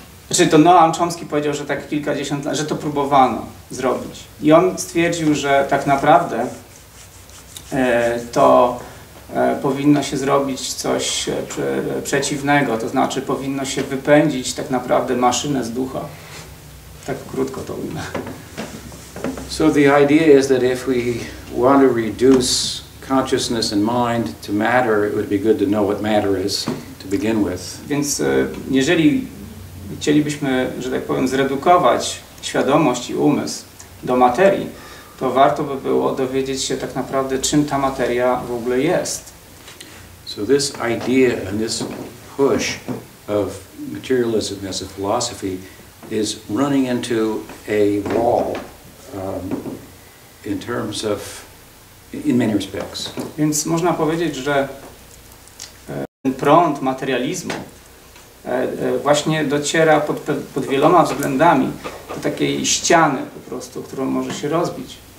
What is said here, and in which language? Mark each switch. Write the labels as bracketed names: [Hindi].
[Polish] Znaczy to Noam Chomsky powiedział, że tak kilkadziesiąt lat, że to próbowano zrobić. I on stwierdził, że tak naprawdę to powinno się zrobić coś przeciwnego, to znaczy powinno się wypędzić tak naprawdę maszynę z ducha. Tak krótko to ujmę. [English] So the idea is that if we want to reduce consciousness and mind to matter, it would be good to know what matter is to begin with. [Polish] Więc jeżeli chcielibyśmy, że tak powiem, zredukować świadomość i umysł do materii, to warto by było dowiedzieć się tak naprawdę, czym ta materia w ogóle jest. [English] So this idea and this push of materialism as a philosophy is running into a wall in terms of, in many respects. [Polish] Więc można powiedzieć, że ten prąd materializmu właśnie dociera pod wieloma względami do takiej ściany po prostu, którą może się rozbić.